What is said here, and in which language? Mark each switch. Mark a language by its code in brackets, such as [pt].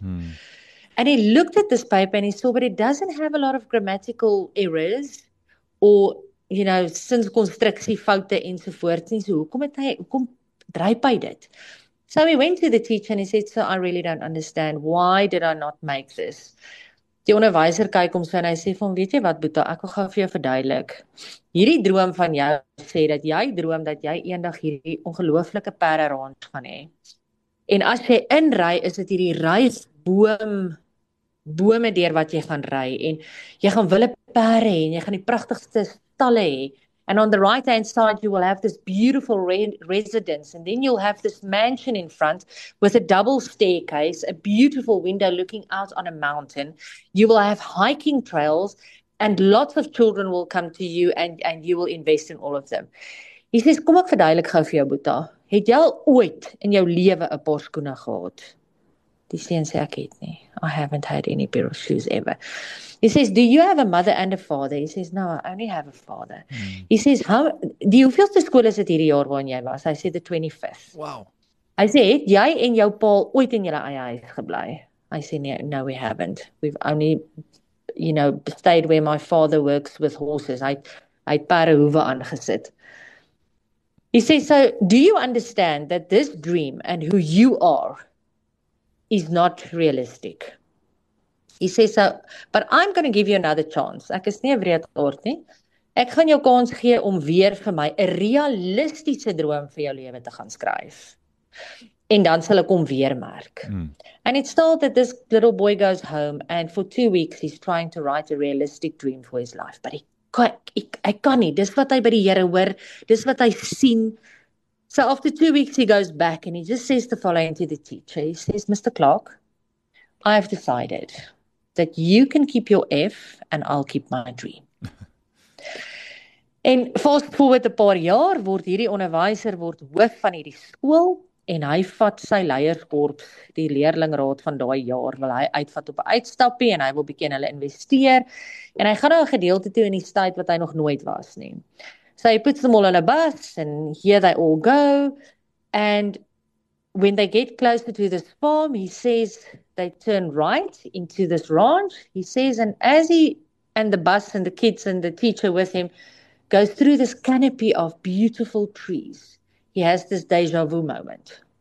[en] And he looked at this paper and he saw, but it doesn't have a lot of grammatical errors or, you know, [af] sins constructie foute ensovoorts. En so, hoekom dryp hy dit? [en] So he went to the teacher and he said, "Sir, I really don't understand. Why did I not make this?" [af] Die onderwyser kyk hom so en hy sê vir hom, "Weet jy wat, Boeta, ek wil gou vir jou verduidelik. Hierdie droom van jou sê dat jy droom dat jy eendag hierdie ongelooflike perde rond gaan hê. En as jy inry, is dit hierdie bome deur wat jy gaan ry en jy gaan wille perde hê en jy gaan die pragtigste stalle hê. [en] And on the right hand side you will have this beautiful residence and then you'll have this mansion in front with a double staircase, a beautiful window looking out on a mountain. You will have hiking trails and lots of children will come to you and you will invest in all of them." He says, [af] "Kom ek verduidelik gou vir jou, Boeta. Het jy al ooit in jou lewe 'n paar skoene gehad?" Die seun sê, "Ek het nie. [en] I haven't had any pair of shoes ever." He says, "Do you have a mother and a father?" He says, "No, I only have a father." He says, [af] "Hoeveelste skool is dit hierdie jaar waarin jy was?" Hy sê, [en] "The 25th. Wow. [af] Hy sê, "Het jy en jou pa ooit in julle eie huis gebly?" Hy sê, [en] "No, we haven't. We've only, you know, stayed where my father works with horses. [af] Hy het perde hoeve aangesit." [en] He says, "So do you understand that this dream and who you are is not realistic?" He says, "So, but I'm going to give you another chance." [af] Ek is nie 'n wreedaard nie. Ek gaan jou kans gee om weer vir my 'n realistiese droom vir jou lewe te gaan skryf. En dan sal ek hom weer merk. [en] And it's told that this little boy goes home and for 2 weeks he's trying to write a realistic dream for his life. But I [af] kan nie. Dis wat hy by die Here hoor. Dis wat hy sien. [en] So after 2 weeks he goes back and he just says the following to the teacher. He says, "Mr. Clark, I have decided that you can keep your F and I'll keep my dream." [af] En fast forward 'n paar jaar word hierdie onderwyser word hoof van hierdie skool en hy vat sy leierskorps, die leerlingraad van daai jaar, wil hy uitvat op 'n uitstappie en hy wil bietjie in hulle investeer en hy gaan na 'n gedeelte toe in die stad wat hy nog nooit was nie. [en] So he puts them all on a bus and here they all go. And when they get closer to this farm, he says they turn right into this ranch. He says, and as he and the bus and the kids and the teacher with him goes through this canopy of beautiful trees, he has this deja vu moment.